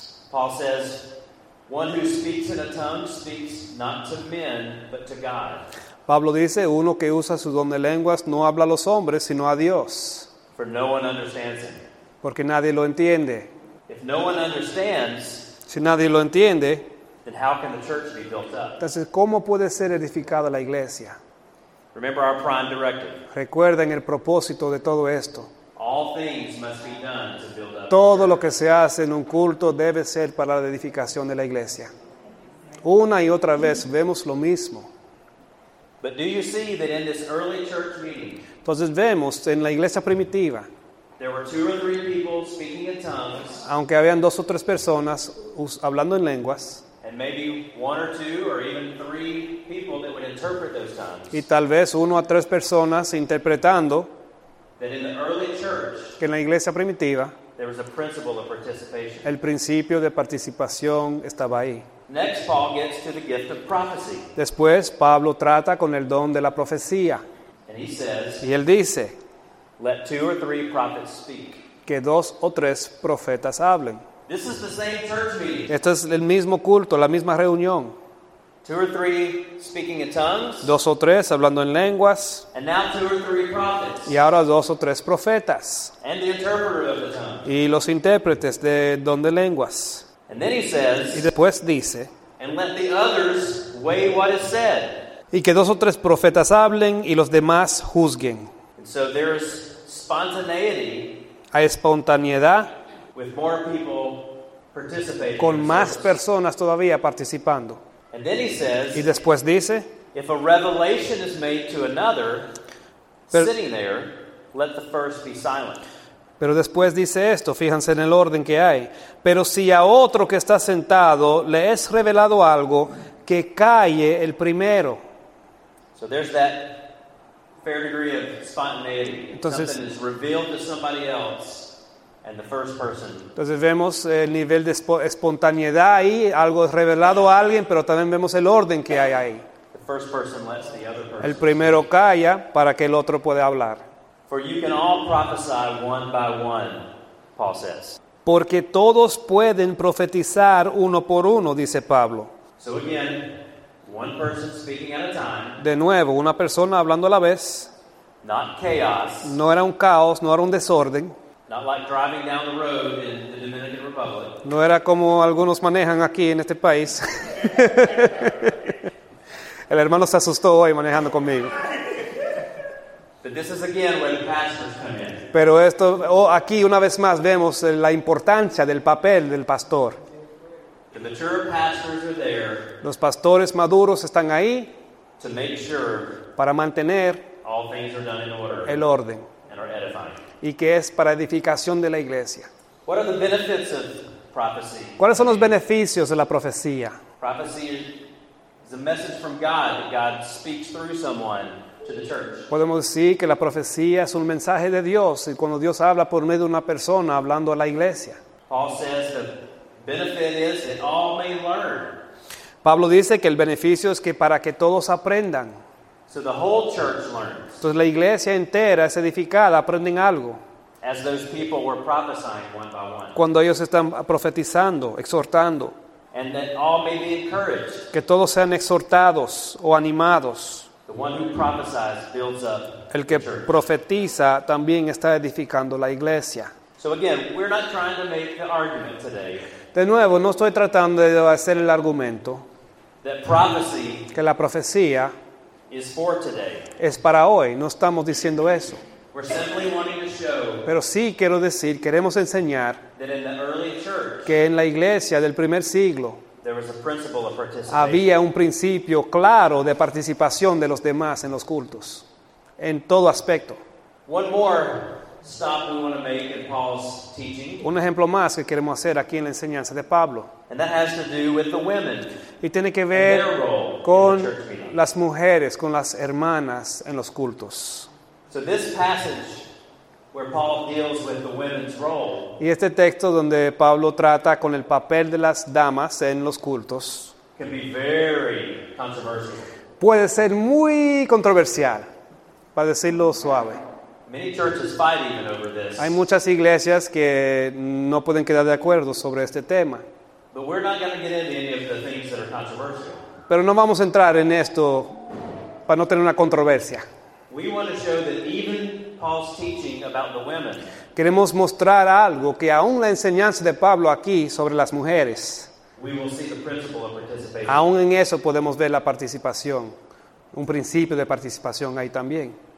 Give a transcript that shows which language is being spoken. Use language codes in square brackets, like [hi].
[en] Paul says, one who speaks in a tongue speaks not to men, but to God. [es] Pablo dice, uno que usa su don de lenguas no habla a los hombres, sino a Dios. [en] For no one understands him. [es] Porque nadie lo entiende. [en] If no one understands, [es] si nadie lo entiende, [en] then how can the church be built up? [es] Entonces, ¿cómo puede ser edificada la iglesia? [en] Remember our prime directive. [es] Recuerden el propósito de todo esto. [en] All things must be done to build up. [es] Todo lo que se hace en un culto debe ser para la edificación de la iglesia. Una y otra vez vemos lo mismo. [en] But do you see that in this early church meeting, [es] entonces vemos en la iglesia primitiva, [en] there were two or three people speaking in tongues, [es] aunque habían dos o tres personas hablando en lenguas, [en] and maybe one or two or even three people that would interpret those tongues, [es] y tal vez uno o tres personas interpretando, [en] that in the early church, [es] que en la iglesia primitiva, [en] there was a principle of participation. [es] El principio de participación estaba ahí. [en] Next, Paul gets to the gift of prophecy. [es] Después, Pablo trata con el don de la profecía. [en] And he says, [es] y él dice, [en] let two or three prophets speak. [es] Que dos o tres profetas hablen. [en] This is the same church meeting. [es] Esto es el mismo culto, la misma reunión. [en] Two or three speaking in tongues. [es] Dos o tres hablando en lenguas. [en] And now two or three prophets. [es] Y ahora dos o tres profetas. [en] And the interpreter of the tongues. [es] Y los intérpretes de don de lenguas. [en] And then he says, [es] y después dice, [en] and let the others weigh what is said. [es] Y que dos o tres profetas hablen y los demás juzguen. [en] And so there is spontaneity. [es] Hay espontaneidad. [en] With more people participating. [es] Con más personas todavía participando. [en] And then he says, [es] y después dice, [en] if a revelation is made to another, pero, sitting there, let the first be silent. [es] Pero después dice esto, fíjense en el orden que hay. Pero si a otro que está sentado le es revelado algo, que calle el primero. [en] So there's that fair degree of spontaneity. Entonces, something is revealed to somebody else. And the first person. [es] Entonces vemos el nivel de espontaneidad ahí, algo es revelado a alguien, pero también vemos el orden que hay ahí. [en] The first person lets the other person. [es] El primero calla para que el otro pueda hablar. [en] For you can all prophesy one by one, Paul says. [es] Porque todos pueden profetizar uno por uno, dice Pablo. [en] So again, one person speaking at a time. [es] De nuevo, una persona hablando a la vez. [en] Not chaos. [es] No era un caos, no era un desorden. [en] Not like driving down the road in the Dominican Republic. [es] No era como algunos manejan aquí en este país. El hermano se asustó hoy manejando conmigo. [en] But this is again where the pastors come in. [es] Pero esto, aquí una vez más vemos la importancia del papel del pastor. [en] The mature pastors are there. [es] Los pastores maduros están ahí. [en] To make sure. [es] Para mantener. [en] All things are done in order. [es] El orden. [en] And or edifying. [es] Y que es para edificación de la iglesia. [en] What are the benefits of prophecy? [es] ¿Cuáles son los beneficios de la profecía? [en] Prophecy is a message from God that God speaks through someone to the church. [es] Podemos decir que la profecía es un mensaje de Dios y cuando Dios habla por medio de una persona hablando a la iglesia. [en] Paul says the benefit is that all may learn. [es] Pablo dice que el beneficio es que para que todos aprendan. [en] So the whole church learns. [es] Entonces la iglesia entera es edificada, aprenden algo. [en] As those people were prophesying one by one. [es] Cuando ellos están profetizando, exhortando. [en] And that all may be encouraged. [es] Que todos sean exhortados o animados. [en] The one who prophesies builds up the church. [es] El que profetiza también está edificando la iglesia. [en] So again, we're not trying to make the argument today. [es] De nuevo, no estoy tratando de hacer el argumento que la profecía [en] is for today. [es] Es para hoy. No estamos diciendo eso. [en] We're simply wanting to show. [es] Pero sí quiero decir, queremos enseñar [en] that in the early church, [es] que en la iglesia del primer siglo [en] there was a principle of participation. [es] Había un principio claro de participación de los demás en los cultos, en todo aspecto. [en] One more stop we want to make in Paul's teaching. [es] Un ejemplo más que queremos hacer aquí en la enseñanza de Pablo. [en] And that has to do with the women. [es] Y tiene que ver con las mujeres, con las hermanas en los cultos. [en] So this passage where Paul deals with the women's role. [es] Y este texto donde Pablo trata con el papel de las damas en los cultos. [en] Can be very controversial. [es] Puede ser muy controversial, para decirlo suave. [en] Many churches fight even over this. [es] Hay muchas iglesias que no pueden quedar de acuerdo sobre este tema. [en] But we're not going to get into any of the things that are controversial. [es] Pero no vamos a entrar en esto para no tener una controversia. [en] We want to show that even Paul's teaching about the women. [es] Queremos mostrar algo que aún la enseñanza de Pablo aquí sobre las mujeres. [en] We will see the principle of participation. [es] Aún en eso podemos ver la participación, un principio de participación ahí también.